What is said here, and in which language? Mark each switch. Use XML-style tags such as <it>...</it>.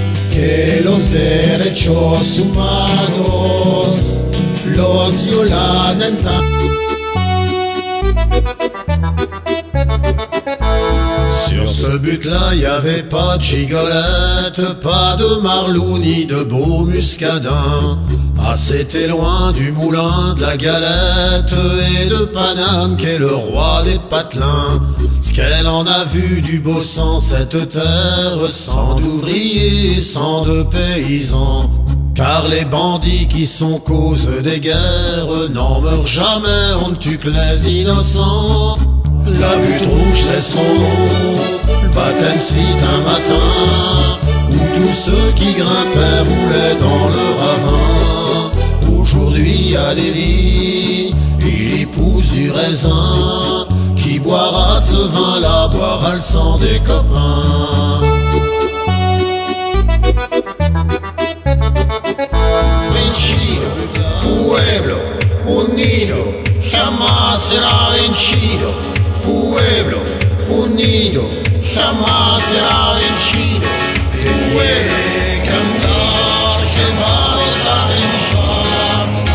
<es>Que los derechos humanos los violan en tanto.</es> <fr>Sur ce but-là, il n'y avait pas de gigolette, pas de marlou ni de beau muscadin. Ah, c'était loin du moulin, de la galette et de Paname, qu'est le roi des patelins. Ce qu'elle en a vu du beau sang, cette terre, sans d'ouvriers, sans de paysans. Car les bandits qui sont cause des guerres n'en meurent jamais, on ne tue que les innocents. La butte rouge c'est son nom, le baptême cite un matin, où tous ceux qui grimpaient roulaient dans le ravin. Aujourd'hui il y a des vignes, il y pousse du raisin, qui boira ce vin-là, boira le sang des copains.</fr> <es>Vincino, pueblo, unido, jamás será vencido. Pueblo unido, jamás será vencido. Tu puedes cantar que vamos a triunfar.</es>